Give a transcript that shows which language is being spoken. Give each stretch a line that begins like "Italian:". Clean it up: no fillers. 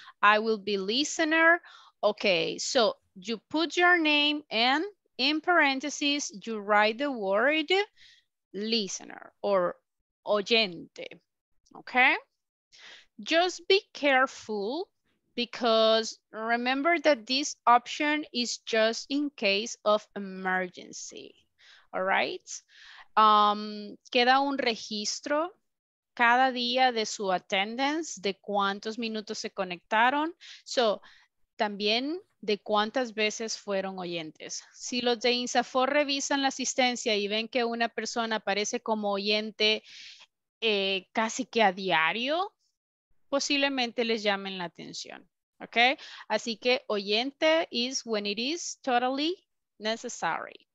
English: I will be listener. Okay, so you put your name and in parentheses, you write the word listener or oyente, okay? Just be careful. Because remember that this option is just in case of emergency, all right?
Spanish: Queda un registro cada día de su attendance, de cuántos minutos se conectaron. So también de cuántas veces fueron oyentes. Si los de INSAFOR revisan la asistencia y ven que una persona aparece como oyente casi que a diario, posiblemente les llamen la atención.
English: Okay?
Spanish: Así que
English: oyente is when it is totally necessary.